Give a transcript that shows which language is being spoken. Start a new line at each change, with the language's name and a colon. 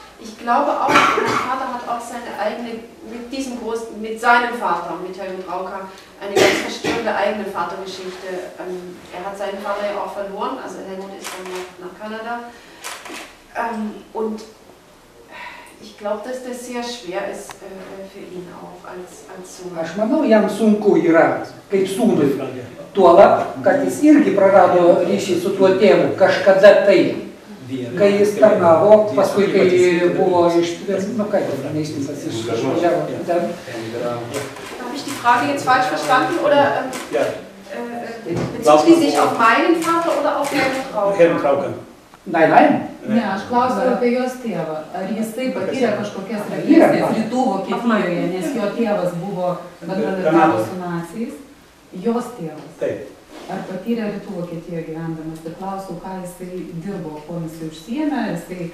German: Ich glaube auch, mein Vater hat auch seine eigene, mit seinem Vater, mit Herrn Brauka, eine ganz verstörende eigene Vatergeschichte. Er hat seinen Vater ja auch verloren, also Helmut ist dann nach Kanada. Und ich glaube, dass das sehr schwer ist für ihn auch als Sohn. Ich meine, er hat einen Sohn, als Sohn.
Lithuanian: Tuola, kad jis irgi prarado ryšį su tuo tėvu, kažkada tai, kai jis tarnavo, paskui, kai buvo iš... Nu, kai jis neištisas iš...
German: Hab ich die Frage jetzt falsch verstanden, oder bezieht die sich auf meinen Vater oder auf Herrn Trauken? Nein.
Lithuanian: Ne, aš klausiu apie jos tėvą. Ar jis taip patyrė kažkokias represijas rytų Vokietijoje, nes jo tėvas buvo bendradarbiavo su naciais? Jos tėvas. Taip. Ar patyrė rytų Vokietijoje gyvendamas? Ir klausau, ką jisai dirbo, ko jisai užsiėmė, jisai...